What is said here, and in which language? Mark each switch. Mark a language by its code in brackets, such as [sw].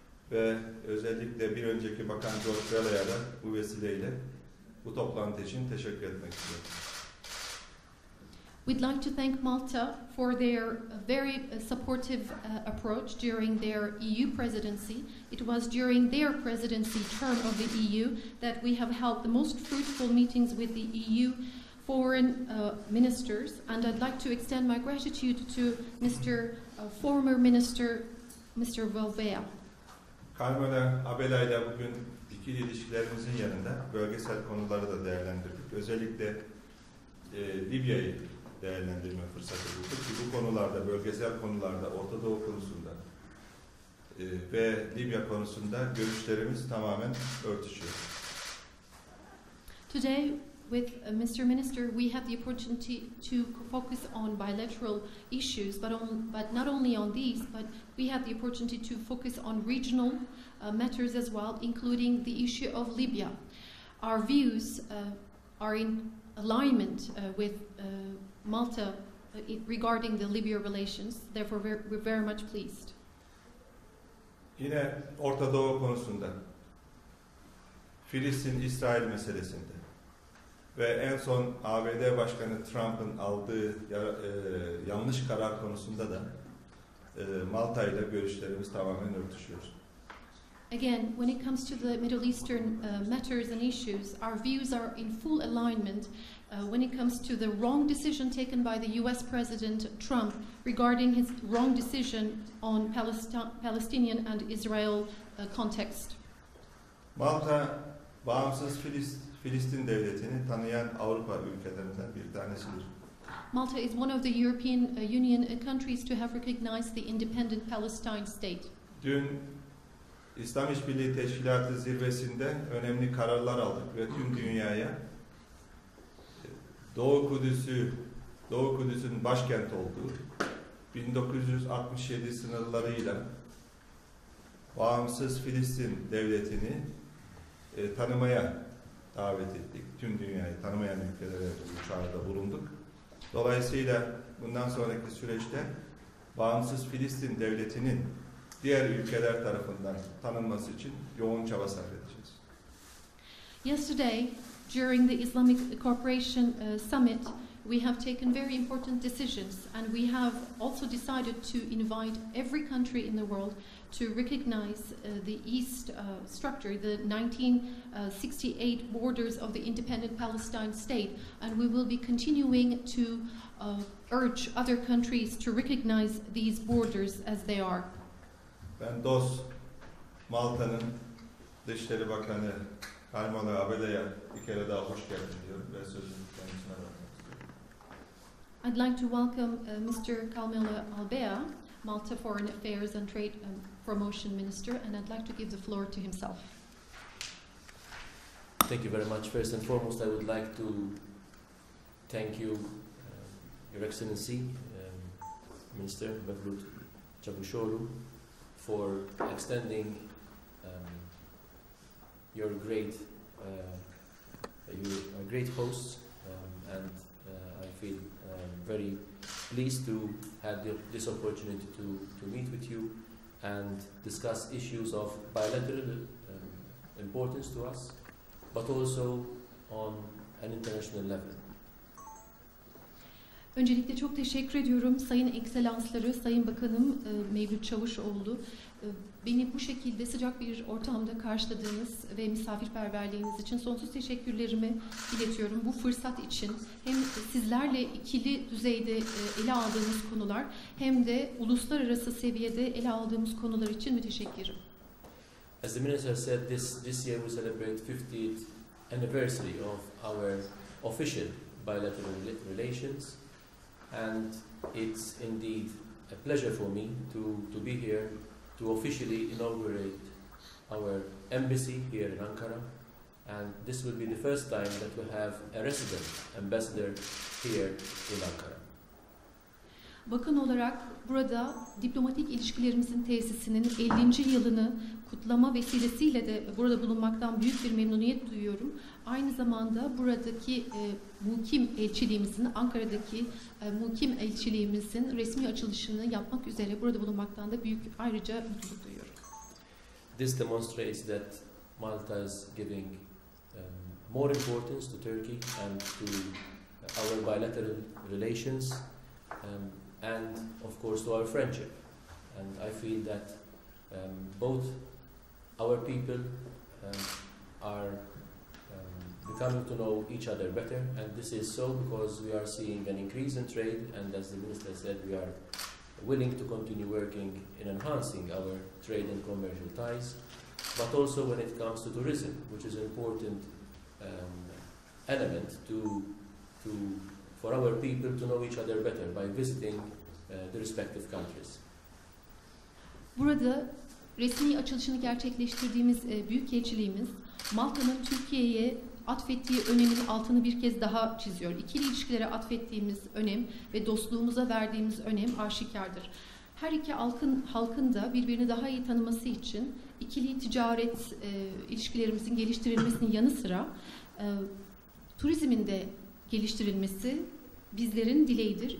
[tr] Ve özellikle bir önceki bakan George Vela'ya da bu vesileyle bu toplantı için teşekkür etmek istiyorum. [en] We'd like to thank Malta for their very supportive approach during their EU presidency. It was during their presidency term of the EU that we have held the most fruitful meetings with the EU foreign ministers, and I'd like to extend my gratitude to former minister Volvea. [tr] Carmelo Abella ile bugün ikili ilişkilerimizin yanında bölgesel konuları da değerlendirdik. Özellikle Libya'yı değerlendirme fırsatı bulduk. Bu konularda, bölgesel konularda, Orta Doğu konusunda ve Libya konusunda görüşlerimiz tamamen örtüşüyor. [en] Today with Mr. Minister, we have the opportunity to focus on bilateral issues, but not only on these, but we have the opportunity to focus on regional matters as well, including the issue of Libya. Our views are in alignment with Malta regarding the Libya relations. Therefore, we're very much pleased. [tr] Yine Orta Doğu konusunda, Filistin-İsrail meselesinde ve en son ABD Başkanı Trump'ın aldığı yanlış karar konusunda da Malta ile görüşlerimiz tamamen örtüşüyor. [en] Again, when it comes to the Middle Eastern matters and issues, our views are in full alignment when it comes to the wrong decision taken by the US President Trump regarding his wrong decision on Palestinian and Israel context. [tr] Malta bağımsız Filistin devletini tanıyan Avrupa ülkelerinden bir tanesidir. [en] Malta is one of the European Union countries to have recognized the independent Palestine state. [tr] Dün İslam İşbirliği Teşkilatı zirvesinde önemli kararlar aldık ve tüm dünyaya Doğu Kudüs'ün başkenti olduğu 1967 sınırlarıyla bağımsız Filistin devletini tanımaya davet ettik. Tüm dünyayı tanımayan ülkelere bu çağrıda bulunduk. Dolayısıyla bundan sonraki süreçte bağımsız Filistin devletinin diğer ülkeler tarafından tanınması için yoğun çaba sarf edeceğiz. [en] Yesterday, during the Islamic Cooperation Summit, we have taken very important decisions and we have also decided to invite every country in the world to recognize the East structure, the 1968 borders of the independent Palestine state. And we will be continuing to urge other countries to recognize these borders as they are. [tr] Ben dost Malta'nın Dışişleri Bakanı Karmalı Abele'ye bir kere daha hoş geldin diyorum ve sözünü kendisine bırakmak [en] I'd like to welcome Mr. Carmelo Albea, Malta Foreign Affairs and Trade Promotion Minister, and I'd like to give the floor to himself. Thank you very much. First and foremost, I would like to thank you, Your Excellency, Minister Mevlut Çavuşoğlu, for extending your great host, and I feel very pleased to have this opportunity to meet with you and discuss issues of bilateral importance to us, but also on an international level. [tr] Öncelikle çok teşekkür ediyorum Sayın Ekselansları, Sayın Bakanım Mevlüt Çavuşoğlu. Beni bu şekilde sıcak bir ortamda karşıladığınız ve misafirperverliğiniz için sonsuz teşekkürlerimi iletiyorum. Bu fırsat için hem sizlerle ikili düzeyde ele aldığımız konular hem de uluslararası seviyede ele aldığımız konular için müteşekkirim. [en] As the minister said, this year we celebrate 50th anniversary of our official bilateral relations and it's indeed a pleasure for me to be here to officially inaugurate our embassy here in Ankara, and this will be the first time that we have a resident ambassador here in Ankara. [tr] Bakan olarak burada diplomatik ilişkilerimizin tesisinin 50. yılını kutlama vesilesiyle de burada bulunmaktan büyük bir memnuniyet duyuyorum. Aynı zamanda buradaki mukim elçiliğimizin, Ankara'daki mukim elçiliğimizin resmi açılışını yapmak üzere burada bulunmaktan da büyük ayrıca mutluluk duyuyorum. [en] This demonstrates that Malta is giving more importance to Turkey and to our bilateral relations. And of course to our friendship, and I feel that both our people are becoming to know each other better, and this is so because we are seeing an increase in trade, and as the minister said, we are willing to continue working in enhancing our trade and commercial ties, but also when it comes to tourism, which is an important element to for our people to know each other better by visiting the respective countries. [tr] Burada resmi açılışını gerçekleştirdiğimiz büyükelçiliğimiz Malta'nın Türkiye'ye atfettiği önemin altını bir kez daha çiziyor. İkili ilişkilere atfettiğimiz önem ve dostluğumuza verdiğimiz önem aşikardır. Her iki halkın da birbirini daha iyi tanıması için ikili ticaret ilişkilerimizin geliştirilmesinin yanı sıra turizmin de geliştirilmesi bizlerin dileğidir.